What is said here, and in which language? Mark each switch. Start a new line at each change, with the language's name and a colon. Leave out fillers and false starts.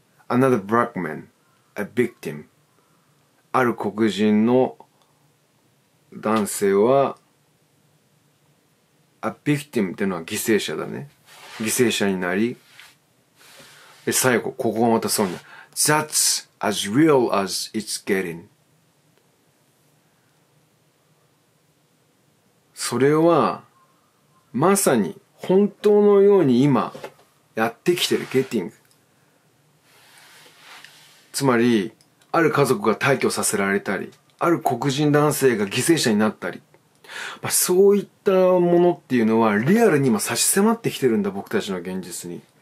English: another black man a victim、
Japanese: ある黒人の男性は、a victim っていうのは犠牲者だね。犠牲者になり。で、最後、ここがまたそうになる。
English: That's as real as it's getting。
Japanese: それは、まさに本当のように今、やってきてる、getting。つまり、ある家族が退去させられたり、ある黒人男性が犠牲者になったり、まあ、そういったものっていうのはリアルに今差し迫ってきてるんだ、僕たちの現実に。